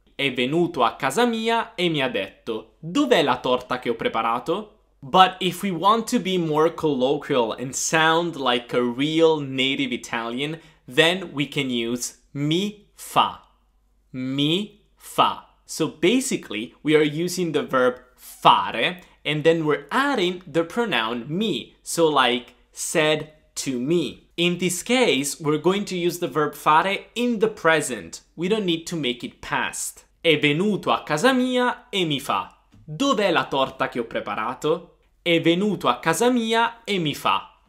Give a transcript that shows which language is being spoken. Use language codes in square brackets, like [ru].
[it] È venuto a casa mia e mi ha detto, dov'è la torta che ho preparato? [en] But if we want to be more colloquial and sound like a real native Italian, then we can use mi fa. Mi fa. So basically, we are using the verb fare and then we're adding the pronoun mi. So like, said to me. In this case, we're going to use the verb fare in the present. We don't need to make it past. [it] È venuto a casa mia e mi fa. Dov'è la torta che ho preparato? È venuto a casa mia e mi fa.